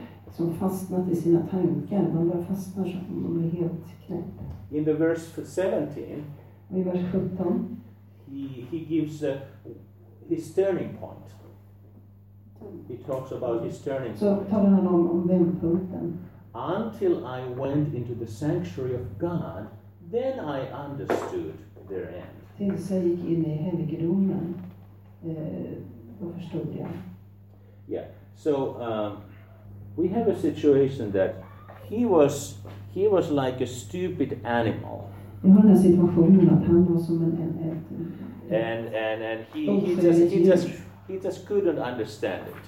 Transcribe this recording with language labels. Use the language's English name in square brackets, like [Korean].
[Swedish] Som fastnat i sina tankar, man bara fastnar så att man är helt knäpp. [English] In the verse 17. [Swedish] Och i vers 17. [English] He gives his turning point. He talks about his turning point. [Swedish] Så talar han om vändpunkten. [English] Until I went into the sanctuary of God, then I understood their end. [Swedish] Tills jag gick in i helgedomen, då förstod jag. Yeah. [English] So we have a situation that he was like a stupid animal. [Swedish] Jag har den situationen att han var som en [English] he just couldn't understand it.